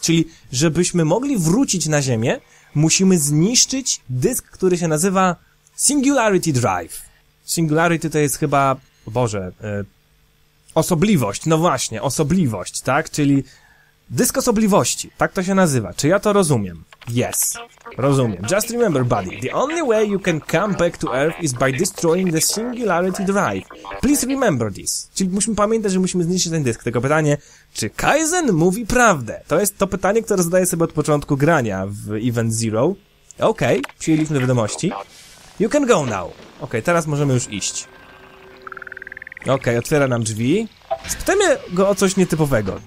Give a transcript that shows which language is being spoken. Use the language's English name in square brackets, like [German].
[Polish] Czyli, żebyśmy mogli wrócić na Ziemię, musimy zniszczyć dysk, który się nazywa Singularity Drive. Singularity to jest chyba, Boże, osobliwość, no właśnie, osobliwość, tak? Czyli dysk osobliwości, tak to się nazywa. Czy ja to rozumiem? Yes, rozumiem. [English] Just remember, buddy, the only way you can come back to Earth is by destroying the Singularity Drive. Please remember this. [Polish] Czyli musimy pamiętać, że musimy zniszczyć ten dysk. Tylko pytanie, czy Kaizen mówi prawdę? To jest to pytanie, które zadaję sobie od początku grania w Event Zero. Okej, okay, przyjęliśmy wiadomości. [English] You can go now. [Polish] Okej, teraz możemy już iść. Okej, otwiera nam drzwi. Spytajmy go o coś nietypowego.